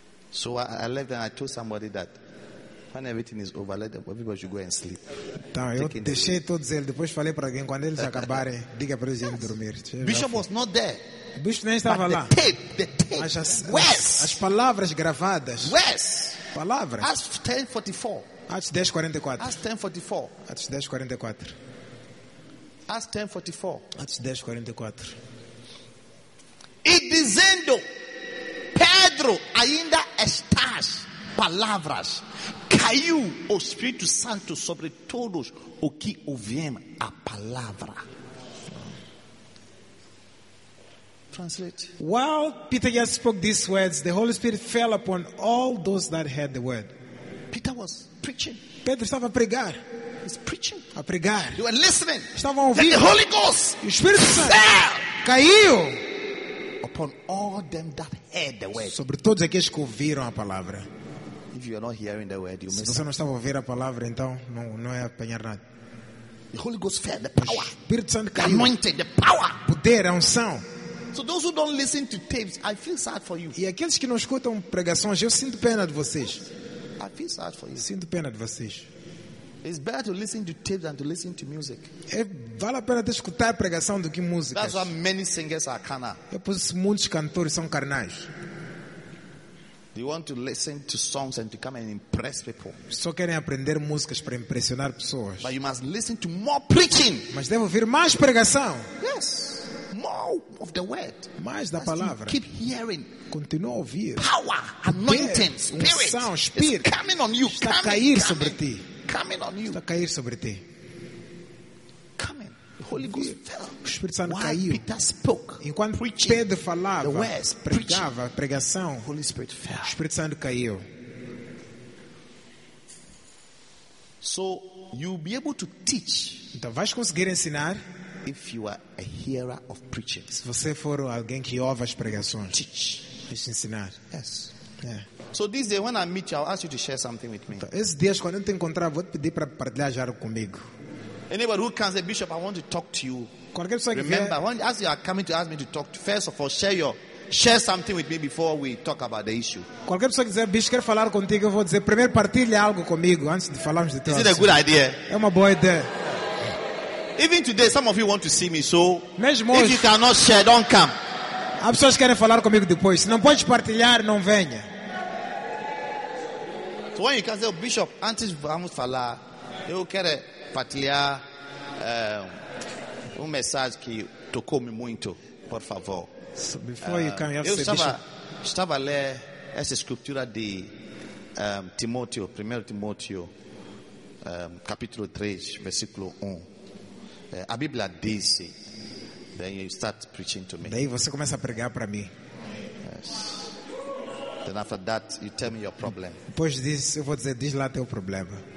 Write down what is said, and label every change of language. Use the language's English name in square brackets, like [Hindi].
[English] So I left and I told somebody that when everything is over, let them, everybody should go and sleep. [Portuguese] Então, eu deixei todos eles. Depois falei para alguém, quando eles acabarem, diga para eles irem dormir. [English] Bishop was not there. [Portuguese] O bicho nem estava lá. As palavras gravadas. [English] Yes. [Portuguese] Palavra. [English] Acts 10:44. Acts 10:44. Acts 10:44. Acts 10:44. Acts 10:44. Acts 10:44. [Portuguese] E dizendo, Pedro ainda estás. Palavras caiu o Espírito Santo sobre todos o que ouviam a palavra. [English] Translate. While Peter just spoke these words, the Holy Spirit fell upon all those that heard the word. Peter was preaching. [Portuguese] Pedro estava a pregar. [English] He's preaching. [Portuguese] A pregar. [English] They were listening. [Portuguese] Estavam a ouvir. [English] The Holy Ghost. [Portuguese] O Espírito Santo [English] fell. [Portuguese] Caiu. [English] Upon all them that heard the word. [Portuguese] Sobre todos aqueles que ouviram a palavra. [English] If you are not hearing the word, you miss. [Portuguese] Se você não estava a ouvir a palavra, então não é apanhar nada. [English] The Holy Ghost fell, the power. [Portuguese] O Espírito Santo caiu. [English] The anointing, the power. [Portuguese] Poder, a unção. [English] So those who don't listen to tapes, I feel sad for you. [Portuguese] E aqueles que não escutam pregações, eu sinto pena de vocês. [English] I feel sad for you. [Portuguese] Sinto pena de vocês. [English] It's better to listen to tapes than to listen to music. [Portuguese] É, vale a pena de escutar pregação do que música. [English] That's why many singers are carnal. [Portuguese] É por isso que muitos cantores são carnais. [English] They want to listen to songs and to come and impress people. [Portuguese] Só querem aprender músicas para impressionar pessoas. [English] But you must listen to more preaching. [Portuguese] Mas devem ouvir mais pregação. [English] Yes. More of the word. [Portuguese] Mais da palavra. [English] Keep hearing. [Portuguese] Continua a ouvir. [English] Power, anointing, spirit. [Portuguese] Unção, espírito. [English] Coming on you. [Portuguese] Está a cair sobre ti. [English] Coming on you. [Portuguese] Está a cair sobre ti. [English] Coming. Holy Ghost fell. [Portuguese] O Espírito Santo caiu. [English] Peter spoke, [Portuguese] enquanto [English] preaching, [Portuguese] Pedro falava, [English] the words, [Portuguese] pregava, pregação, [English] Holy Spirit fell. [Portuguese] O Espírito Santo caiu. [English] So you'll be able to teach. [Portuguese] Então vais conseguir ensinar. [English] If you are a hearer of preaching. [Portuguese] Se você for alguém que ouve as pregações. [English] Teach. [Portuguese] Vais ensinar. [English] Yes. Yeah. So this day when I meet you, I'll ask you to share something with me. [Portuguese] Esses dias quando eu te encontrar, vou te pedir para partilhar algo comigo. [English] Anybody who comes, say, Bishop, I want to talk to you. [Portuguese] Qualquer pessoa que [English] remember, [Portuguese] vier, [English] when, as you are coming to ask me to talk, to, first of all, share something with me before we talk about the issue. [Portuguese] Qualquer pessoa que dizer, Bishop, quero falar contigo, eu vou dizer, primeiro partilhe algo comigo antes de falarmos de tudo. [English] Is it a good idea? [Portuguese] É uma boa ideia. [English] Even today, some of you want to see me, so [Portuguese] mesmo [English] if you cannot share, don't come. [Portuguese] Há pessoas que querem falar comigo depois. Se não podes partilhar, não venha. [English] So when you can say, oh, [Portuguese] Bishop, antes vamos falar, eu quero partilhar mensagem que tocou-me muito, por favor. [English] So before you come, you have [Portuguese] eu [English] to say, [Portuguese] estava, [English] Bishop, [Portuguese] estava a ler essa escritura de Timóteo, 1 Timóteo, capítulo 3, versículo 1. A Bíblia diz, [English] then you start preaching to me. [Portuguese] Daí você começa a pregar para mim. [English] Yes. Then after that, you tell me your problem. [Portuguese] Depois disso, eu vou dizer, diz lá teu problema.